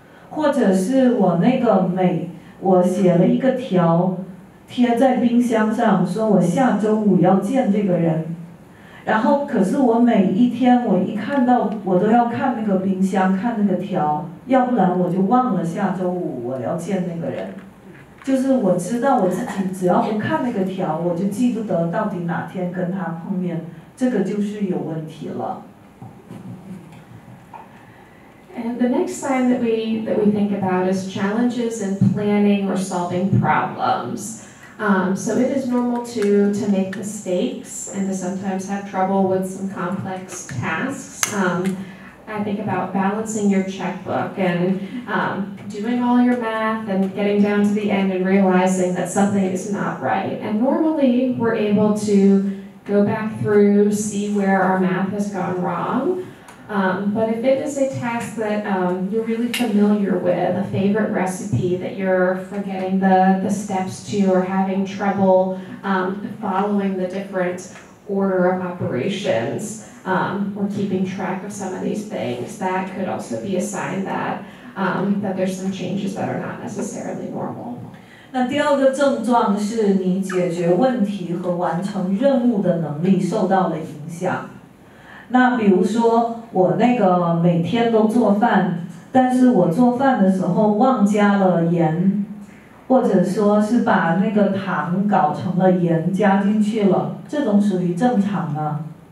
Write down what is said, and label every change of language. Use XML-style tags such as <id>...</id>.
<zh>或者是我那个我写了一个条贴在冰箱上说我下周五要见这个人，然后可是我每一天我一看到我都要看那个冰箱看那个条，要不然我就忘了下周五我要见那个人，就是我知道我自己只要不看那个条我就记不得到底哪天跟他碰面，这个就是有问题了。</zh> <en>And the next sign that we think about is challenges in planning or solving problems. So it is normal to make mistakes and to sometimes have trouble with some complex tasks. I think about balancing your checkbook and doing all your math and getting down to the end and realizing that something is not right. And normally we're able to go back through, see where our math has gone wrong. But if it is a task that you're really familiar with, a favorite recipe that you're forgetting the steps to or having trouble following the different order of operations, or keeping track of some of these things, that could also be a sign that, that there's some changes that are not necessarily normal.</en> <zh>那第二个症状是你解决问题和完成任务的能力受到了影响。那比如说我那个每天都做饭，但是我做饭的时候忘加了盐，或者说是把那个糖搞成了盐加进去了，这种属于正常吗？</zh>